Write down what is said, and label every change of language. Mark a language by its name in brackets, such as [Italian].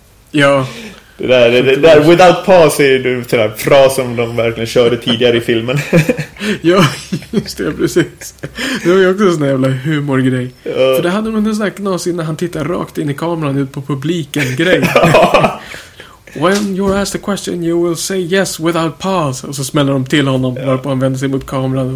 [Swedish] Ja. Det där [English] without pause [Swedish] är ju den där frasen som de verkligen körde tidigare i filmen. Ja, just det, precis. Det var ju också en sån jävla humorgrej. Ja. För det hade man en sån här knas innan han tittade rakt in i kameran ut på publiken grej. Ja. [English] When you're asked a question you will say yes without pause. [Swedish] Och så smäller de till honom varpå han vänder sig mot kameran.